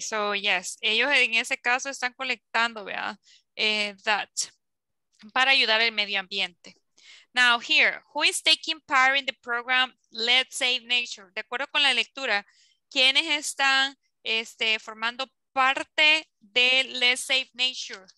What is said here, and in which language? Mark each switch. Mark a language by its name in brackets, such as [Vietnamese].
[English] So, yes, [Spanish] ellos en ese caso están colectando, ¿verdad? That para ayudar el medio ambiente. [English] Now here, who is taking part in the program Let's Save Nature? [Spanish] De acuerdo con la lectura, ¿quiénes están formando parte de Let's Save Nature?